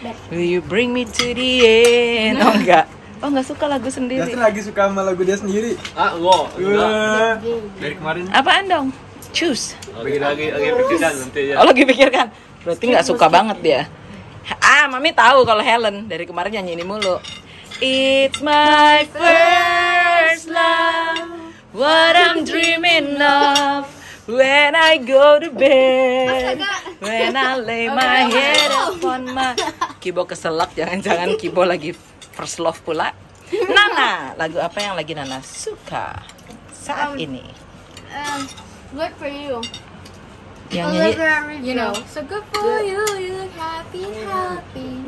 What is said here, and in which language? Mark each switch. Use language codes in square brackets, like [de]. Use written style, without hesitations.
[en] Will you bring me to the end? [id] Oh enggak. Oh enggak suka lagu sendiri. Justin lagi suka sama lagu dia sendiri. Ah, wow. Dari kemarin. Apaan dong? [en] Choose. [id] Lagi pikirkan nanti ya. Oh, lagi pikirkan. Berarti enggak suka banget dia. Ah, mami tahu kalau Helen dari kemarin nyanyi ini mulu. [en] It's my first love. What I'm dreaming of. When I go to bed, when I lay my head upon my... [id] Kibo keselak, jangan-jangan Kibo lagi [en] first love [id] pula. Nana, lagu apa yang lagi Nana suka saat ini? [en] Good for you. [id] Yang nyanyi, [en] you know, so good for you, you look happy, happy.